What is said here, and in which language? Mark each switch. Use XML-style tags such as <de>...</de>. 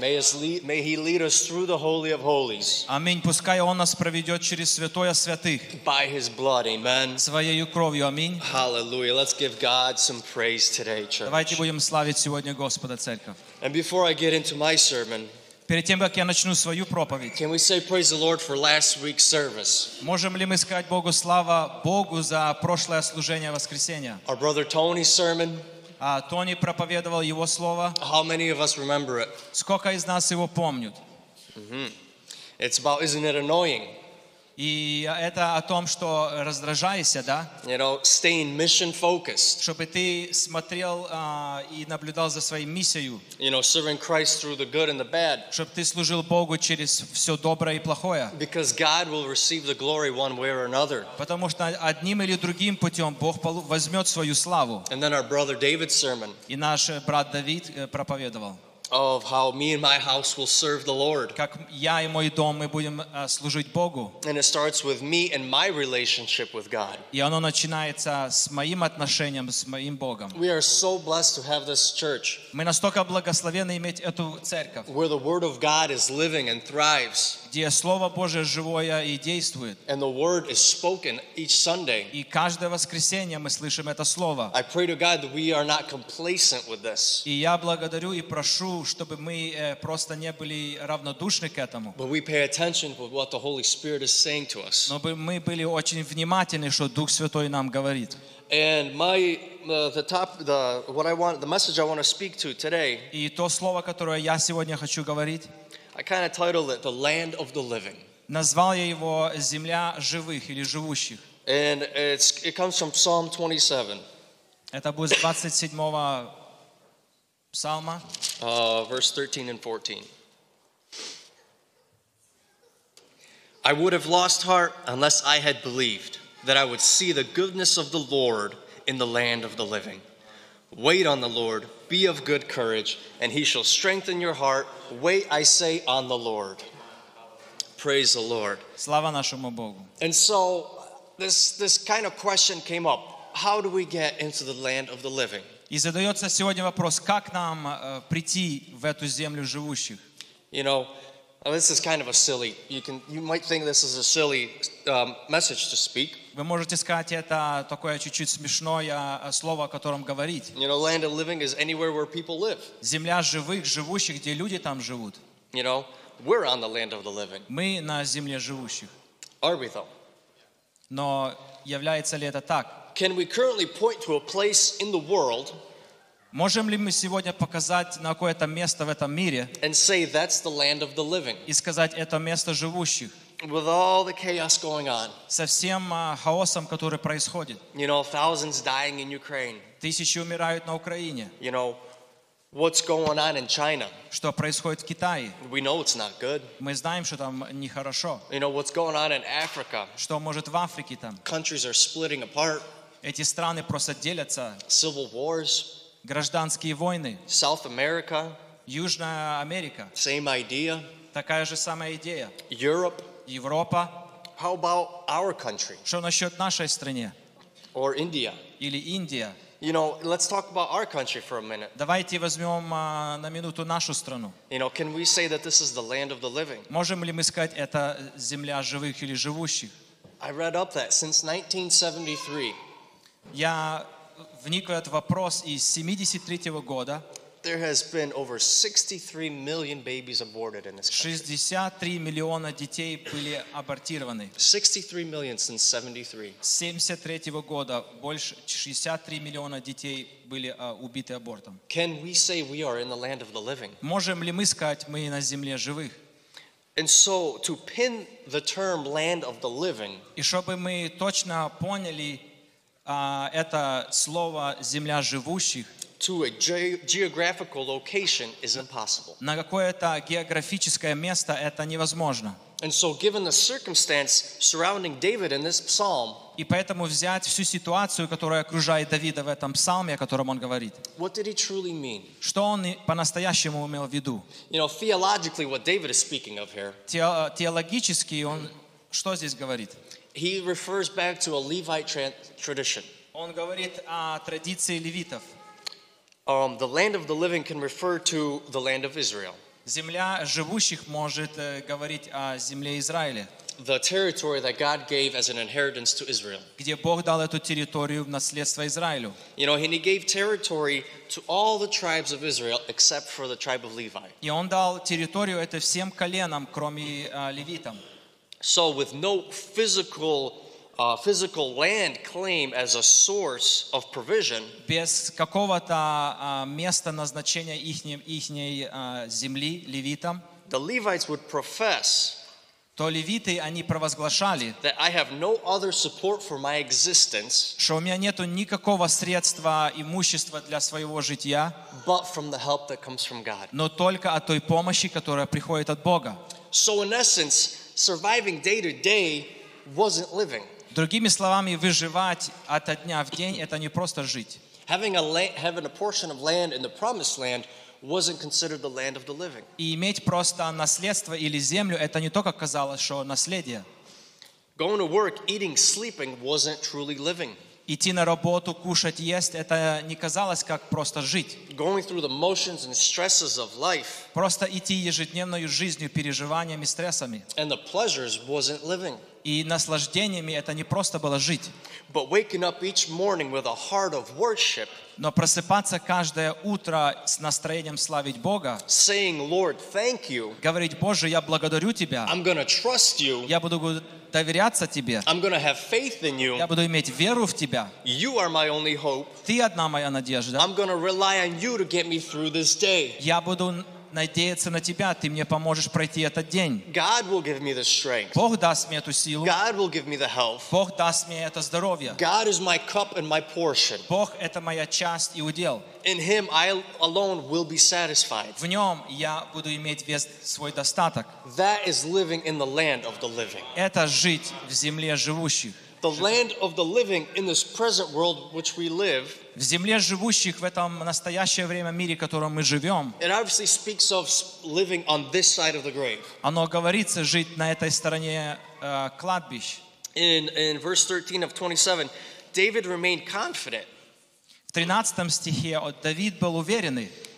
<en>May He lead us through the Holy of Holies.</en> <ru>Аминь. Пускай Он нас проведет через святое святых.</ru> <en>By His blood, Amen.</en> <ru>Своей кровью, аминь.</ru> <en>Hallelujah. Let's give God some praise today, church.</en> <ru>Давайте будем славить сегодня Господа, церковь.</ru> <en>And before I get into my sermon,</en> <ru>перед тем как я начну свою проповедь,</ru> <en>can we say praise the Lord for last week's service?</en> <ru>Можем ли мы сказать Богу слава Богу за прошлое служение воскресения?</ru> <en>Our brother Tony's sermon.</en> <ru>Тони проповедовал его слово.</ru> <en>How many of us remember it?</en> <ru>Сколько из нас его помнят?</ru> <en>It's about, isn't it annoying?</en> <ru>И это о том, что раздражаешься, да?</ru> <en>You know, staying mission focused.</en> <ru>Чтобы ты смотрел и наблюдал за своей миссией.</ru> <en>You know, serving Christ through the good and the bad.</en> <ru>Чтобы ты служил Богу через все доброе и плохое.</ru> <en>Because God will receive the glory one way or another.</en> <ru>Потому что одним или другим путем Бог возьмет свою славу.</ru> <en>And then our brother David's sermon.</en> <ru>И наш брат Давид проповедовал.</ru> <en>Of how me and my house will serve the Lord.</en> <ru>Как я и мой дом мы будем служить Богу.</ru> <en>And it starts with me and my relationship with God.</en> <ru>И оно начинается с моим отношением с моим Богом.</ru> <en>We are so blessed to have this church.</en> <ru>Мы настолько благословены иметь эту церковь.</ru> <en>Where the Word of God is living and thrives.</en> <ru>Где Слово Божие живое и действует.</ru> <en>And the Word is spoken each Sunday.</en> <ru>И каждое воскресенье мы слышим это слово.</ru> <en>I pray to God that we are not complacent with this.</en> <ru>И я благодарю и прошу, чтобы мы просто не были равнодушны к этому.</ru> <en>But we pay attention to what the Holy Spirit is saying to us.</en> <ru>Но мы были очень внимательны, что Дух Святой нам говорит.</ru> <en>And my the top the what I want the message I want to speak to today.</en> <ru>И то слово, которое я сегодня хочу говорить.</ru> <en>I kind of titled it "The Land of the Living".</en> <ru>Назвал я его "Земля живых" или "Живущих".</ru> <en>And it comes from Psalm 27.</en> <ru>Это будет 27-го псалма.</ru> <en>Verse 13 and 14. I would have lost heart unless I had believed that I would see the goodness of the Lord in the land of the living. Wait on the Lord, be of good courage, and he shall strengthen your heart. Wait, I say, on the Lord. Praise the Lord.</en> <ru>Слава нашему Богу.</ru> <en>And so this kind of question came up. How do we get into the land of the living?</en> <ru>И задается сегодня вопрос, как нам прийти в эту землю живущих?</ru> <en>You know, this is kind of a silly, you might think this is a silly message to speak.</en> <ru>Вы можете сказать, это такое чуть-чуть смешное слово, о котором говорить.</ru> <en>You know, land of living is anywhere where people live.</en> <ru>Земля живых, живущих, где люди там живут.</ru> <en>You know, we're on the land of the living.</en> <ru>Мы на земле живущих.</ru> <en>Are we though?</en> <ru>Но является ли это так?</ru> <en>Can we currently point to a place in the world?</en> <ru>Можем ли мы сегодня показать на какое-то место в этом мире?</ru> <en>And say that's the land of the living.</en> <ru>И сказать это место живущих.</ru> <en>With all the chaos going on.</en> <ru>Со всем хаосом, который происходит.</ru> <en>You know, thousands dying in Ukraine.</en> <ru>Тысячи умирают на Украине.</ru> <en>You know, what's going on in China?</en> <ru>Что происходит в Китае?</ru> <en>We know it's not good.</en> <ru>Мы знаем, что там нехорошо.</ru> <en>You know, what's going on in Africa?</en> <ru>Что может в Африке там?</ru> <en>Countries are splitting apart.</en> <ru>Эти страны просто делятся.</ru> <en>Civil wars.</en> <ru>Гражданские войны.</ru> <en>South America.</en> <ru>Южная Америка.</ru> <en>Same idea.</en> <ru>Такая же самая идея.</ru> <en>Europe.</en> <ru>Европа.</ru> <en>How about our country?</en> <ru>Что насчет нашей страны?</ru> <en>Or India.</en> <ru>Или Индия.</ru> <en>You know, let's talk about our country for a minute.</en> <ru>Давайте возьмем на минуту нашу страну.</ru> <en>You know, can we say that this is the land of the living?</en> <ru>Можем ли мы сказать, это земля живых или живущих?</ru> <en>I read up that since 1973.</en> <ru>Я вник в этот вопрос и с 73-го года.</ru> <en>There has been over 63 million babies aborted in this country.</en> <ru>63 миллиона детей были абортированы.</ru> <en>63 million since 73.</en> <ru>73 года больше 63 миллиона детей были убиты абортом.</ru> <en>Can we say we are in the land of the living?</en> <ru>Можем ли мы сказать, мы на земле живых?</ru> <en>And so to pin the term land of the living.</en> <ru>И чтобы мы точно поняли это слово земля живущих.</ru> <en>To a geographical location is impossible.</en> <ru>На какое-то географическое место это невозможно.</ru> <en>And so, given the circumstance surrounding David in this psalm,</en> <ru>и поэтому взять всю ситуацию, которая окружает Давида в этом псалме, о котором он говорит.</ru> <en>What did he truly mean?</en> <ru>Что он по-настоящему имел в виду?</ru> <en>You know, theologically, what David is speaking of here.</en> <ru>Теологически он что здесь говорит?</ru> <en>He refers back to a Levite tradition.</en> <ru>Он говорит о традиции левитов.</ru> <en>The land of the living can refer to the land of Israel.</en> <ru>Земля живущих может говорить о земле Израиля.</ru> <en>The territory that God gave as an inheritance to Israel.</en> <ru>Где Бог дал эту территорию в наследство Израилю.</ru> <en>You know, and he gave territory to all the tribes of Israel except for the tribe of Levi.</en> <ru>И он дал территорию это всем коленам, кроме левитам.</ru> <en>So with no physical land claim as a source of provision.</en> <ru>Без какого-то места назначения ихней земли левитам.</ru> <en>The Levites would profess</en> <ru>то левиты, они провозглашали,</ru> <en>that I have no other support for my existence,</en> <ru>что у меня нету никакого средства, имущества для своего жития,</ru> <en>but from the help that comes from God.</en> <ru>Но только от той помощи, которая приходит от Бога.</ru> <en>So in essence, surviving day to day wasn't living.</en> <ru>Другими словами, выживать от дня в день, это не просто жить.</ru> <en>Having a portion of land in the promised land wasn't considered the land of the living.</en> <ru>И иметь просто наследство или землю это не то, как казалось, что наследие.</ru> <en>Going to work, eating, sleeping wasn't truly living.</en> <ru>Идти на работу, кушать, есть это не казалось как просто жить.</ru> <en>Going through the motions and stresses of life.</en> <ru>Просто идти ежедневной жизнью, переживаниями, стрессами.</ru> <en>And the pleasures wasn't living.</en> <ru>И наслаждениями это не просто было жить.</ru> <en>But waking up each morning with a heart of worship.</en> <ru>Но просыпаться каждое утро с настроением славить Бога,</ru> <en>saying, Lord, thank you,</en> <ru>говорить, Боже, я благодарю Тебя,</ru> <en>I'm gonna trust you,</en> <ru>я буду доверяться Тебе,</ru> <en>I'm gonna have faith in you,</en> <ru>я буду иметь веру в Тебя,</ru> <en>you are my only hope,</en> <ru>Ты одна моя надежда,</ru> <en>I'm gonna rely on you to get me through this day.</en> <ru>Я буду надеяться на Тебя, Ты мне поможешь пройти этот день.</ru> <en>God will give me the strength.</en> <ru>Бог даст мне эту силу.</ru> <en>God will give me the health.</en> <ru>Бог даст мне это здоровье.</ru> <en>God is my cup and my portion.</en> <ru>Бог — это моя часть и удел.</ru> <en>In Him I alone will be satisfied.</en> <ru>В Нем я буду иметь весь свой достаток.</ru> <en>That is living in the land of the living.</en> <ru>Это жить в земле живущих.</ru> <en>The land of the living in this present world which we live.</en> <ru>В земле живущих в этом настоящее время мире, в котором мы живем.</ru> <en>It obviously speaks of living on this side of the grave.</en> <ru>Оно говорится жить на этой стороне кладбищ.</ru> <en>In verse 13 of 27, David remained confident.</en> <ru>В 13 стихе Давид был уверенный.</ru>